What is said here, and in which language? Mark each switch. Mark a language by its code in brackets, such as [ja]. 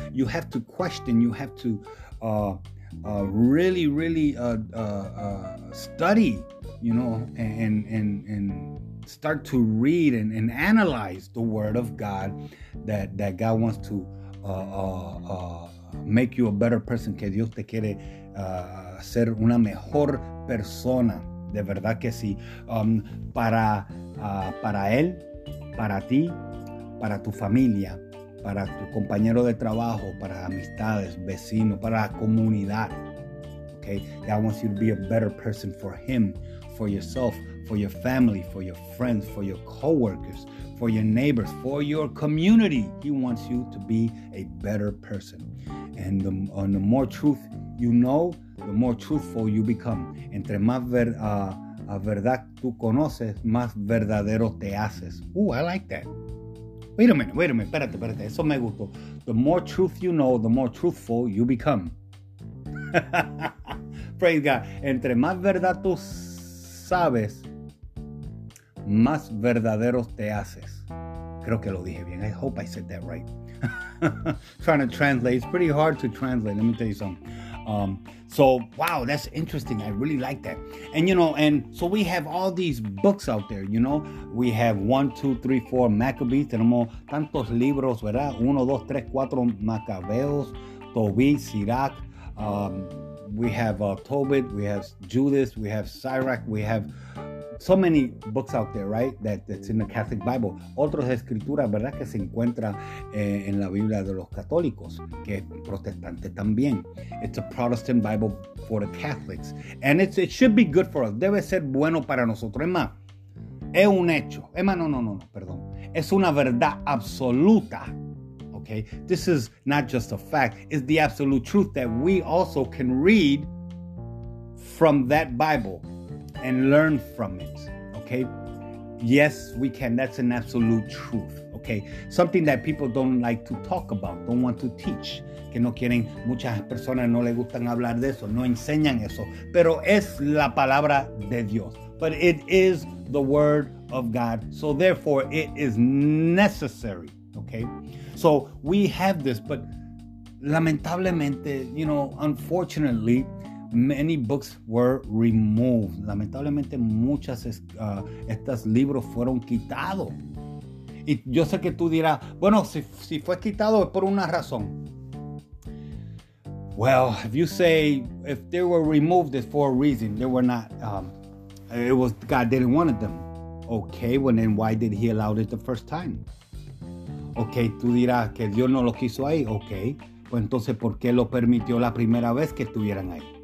[en] You have to question, you have to study, you know, and start to read and analyze the word of God that God wants to make you a better person. [es] Que Dios te quiere ser una mejor persona. De verdad que sí. Para él, para ti, para tu familia, para tu compañero de trabajo, para amistades, vecinos, para la comunidad. [en] Okay? God wants you to be a better person for him, for yourself, for your family, for your friends, for your coworkers, for your neighbors, for your community. He wants you to be a better person. And the more truth you know, the more truthful you become. [es] Entre más verdad tú conoces, más verdadero te haces. [en] Ooh, I like that. Wait a minute. [es] Espérate. Eso me gustó. [en] The more truth you know, the more truthful you become. Praise God. [es] Entre más verdad tú sabes, más verdadero te haces. Creo que lo dije bien. [en] I hope I said that right. Trying to translate. It's pretty hard to translate. Let me tell you something. Wow, that's interesting. I really like that. And, you know, and so we have all these books out there, you know. We have 1, 2, 3, 4 Maccabees. [es] Tenemos tantos libros, ¿verdad? 1, 2, 3, 4 Maccabeos, Tobit, Sirac. [en] We have Tobit. We have Judas. We have Sirach. We have so many books out there, right? That's in the Catholic Bible. [es] Otras escrituras, ¿verdad? Que se encuentra en la Biblia de los católicos, que es protestante también. [en] It's a Protestant Bible for the Catholics. And it should be good for us. [es] Debe ser bueno para nosotros. Es más, es un hecho. Es más, no, perdón. Es una verdad absoluta. Okay? [en] This is not just a fact. It's the absolute truth that we also can read from that Bible and learn from it, okay? Yes, we can. That's an absolute truth, okay? Something that people don't like to talk about, don't want to teach. [es] Que no quieren, muchas personas no les gustan hablar de eso, no enseñan eso. Pero es la palabra de Dios. [en] But it is the word of God. So therefore, it is necessary, okay? So we have this, but [es] lamentablemente, [en] you know, unfortunately, many books were removed. [es] Lamentablemente, muchas estos libros fueron quitados. Y yo sé que tú dirás, bueno, si fue quitado es por una razón. [en] Well, if you say if they were removed, it's for a reason. They were not. It was God didn't want them. Okay, well then why did He allow it the first time? [es] Okay, tú dirás que Dios no lo quiso ahí. Okay, pues entonces ¿por qué lo permitió la primera vez que estuvieran ahí?